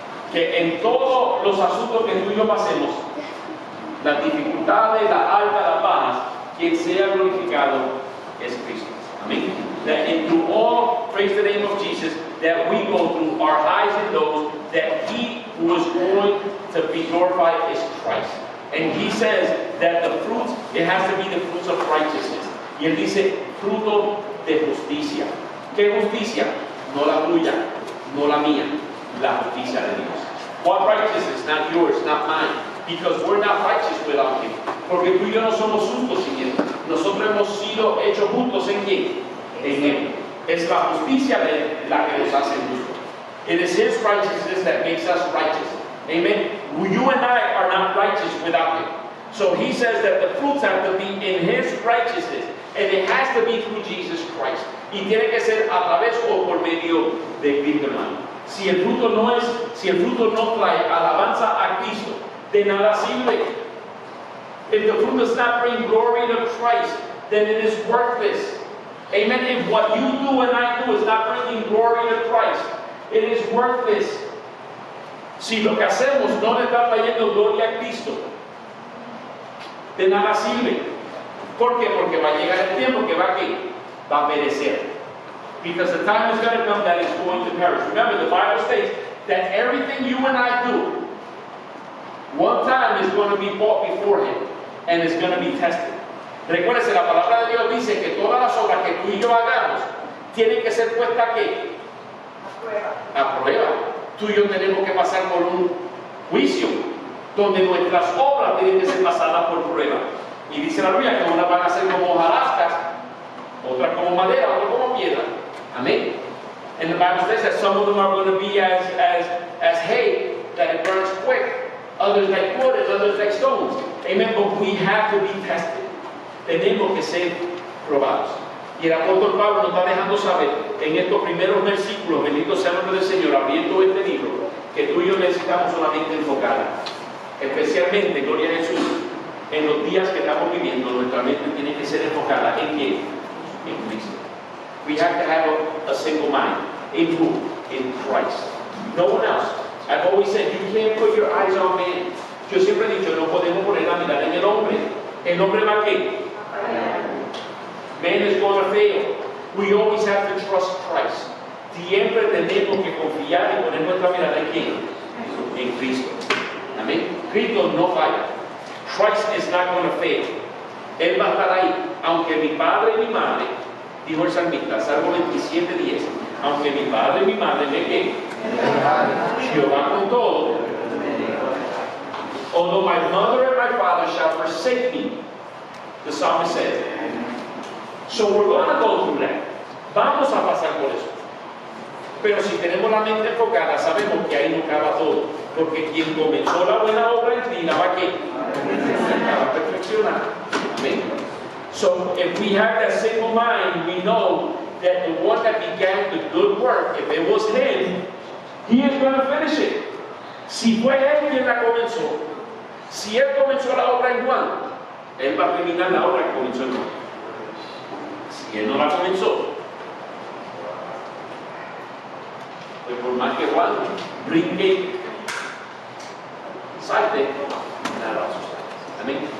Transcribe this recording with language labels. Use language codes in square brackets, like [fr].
[es] Que en todos los asuntos que tú y yo pasemos, las dificultades, las altas, las bajas, quien sea glorificado es Cristo. Amén. [en] That in through all, praise the name of Jesus, that we go through our highs and lows, that he who is going to be glorified is Christ. And he says that the fruits, it has to be the fruits of righteousness. [es] Y él dice, fruto de justicia. ¿Qué justicia? No la tuya, no la mía, la justicia de Dios. [en] What righteousness? Not yours, not mine. Because we're not righteous without him. [es] Porque tú y yo no somos justos sin él. nosotros hemos sido hechos justos en quién? En Él. Es la justicia de Él la que nos hace justos. [en] It is His righteousness that makes us righteous. Amen. You and I are not righteous without Him. So He says that the fruits have to be in His righteousness. And it has to be through Jesus Christ. [es] Y tiene que ser a través o por medio de Cristo, hermano. Si el fruto no es, si el fruto no trae alabanza a Cristo, de nada sirve. [en] If the fruit does not bring glory to Christ, then it is worthless. Amen. If what you do and I do is not bringing glory to Christ, it is worthless. [es] Si lo que hacemos no le está trayendo gloria a Cristo, de nada sirve. ¿Por qué? Porque va a llegar el tiempo que va a, ¿qué? Va a perecer. [en] Because the time is going to come that it's going to perish. Remember, the Bible states that everything you and I do, one time is going to be bought before Him, and it's going to be tested. [es] Recuérdese, la palabra de Dios dice que todas las obras que tú y yo hagamos tienen que ser puestas, ¿qué? A prueba. A prueba. Tú y yo tenemos que pasar por un juicio donde nuestras obras tienen que ser pasadas por prueba. Y dice la Biblia que unas van a ser como hojarascas, otras como madera, otras como piedra. Amén. [en] And the Bible says that some of them are going to be as hay, that it burns quick. Others like quarters, others like stones. Amen. But we have to be tested. [es] Tenemos que ser probados. Y el apóstol Pablo nos está dejando saber en estos primeros versículos, bendito sea el nombre del Señor, abriendo este libro, que tú y yo necesitamos solamente enfocar. Especialmente, gloria a Jesús, en los días que estamos viviendo, nuestra mente tiene que ser enfocada en quién? En Cristo. [en] We have to have a single mind. In who? In Christ. No one else. I've always said, you can't put your eyes on man. [es] Yo siempre he dicho, no podemos poner la mirada en el hombre. ¿El hombre va a qué? [en] Man is going to fail. We always have to trust Christ. [es] Siempre tenemos que confiar y poner nuestra mirada en quién? En Cristo. Amén. Cristo no falla. [en] Christ is not going to fail. [es] Él va a estar ahí. Aunque mi padre y mi madre, dijo el salmista, Salmo 27:10, aunque mi padre y mi madre me quemen, Jehová con todo, [en] although my mother and my father shall forsake me, the psalmist said. So we're going to go through that. [es] Vamos a pasar por eso. Pero si tenemos la mente enfocada, sabemos que ahí no acaba todo. Porque quien comenzó la buena obra en ti, la va a que la va a perfeccionar. Amén. [en] So if we have that single mind, we know that the one that began the good work, if it was Him, He is going to finish it. [es] Si fue Él quien la comenzó, si Él comenzó la obra en Juan, Él va a terminar la obra que comenzó en Juan. Si Él no la comenzó, pues por más que Juan brinque, salte, nada va a suceder. Amén.